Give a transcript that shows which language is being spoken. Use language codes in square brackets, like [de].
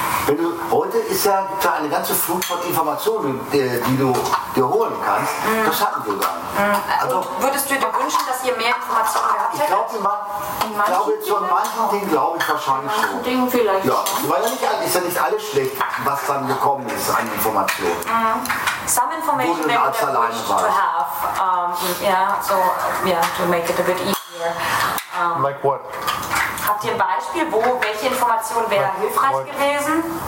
[de] Wenn du, heute ist ja da eine ganze Flut von Informationen, die du dir holen kannst. Das hatten wir gar nicht. Also, würdest du dir wünschen, dass ihr mehr Informationen gehabt hättet? Ich glaube, in manchen Dingen wahrscheinlich schon. In manchen Dingen vielleicht. Ja, weil ist ja nicht alles schlecht, was dann gekommen ist an Informationen. [en] Some information they would have wished to have. To make it a bit easier. Like what? [de] Habt ihr ein Beispiel, welche Information wäre hilfreich gewesen?